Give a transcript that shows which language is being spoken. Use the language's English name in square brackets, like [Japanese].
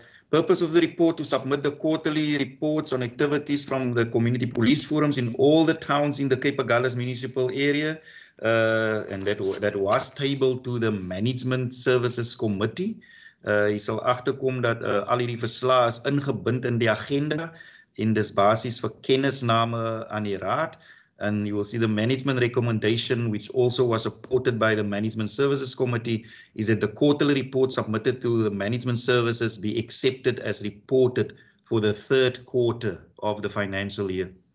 [English] Purpose of the report to submit the quarterly reports on activities from the community police forums in all the towns in the Cape Agulhas municipal area. And that was tabled to the management services committee. [Afrikaans] Jy sal agterkom dat al die versla is ingebind in die agenda en dis basis vir kennisname aan die raad. [English] And you will see the management recommendation, which also was supported by the management services committee, is that the quarterly report submitted to the management services be accepted as reported for the third quarter of the financial year.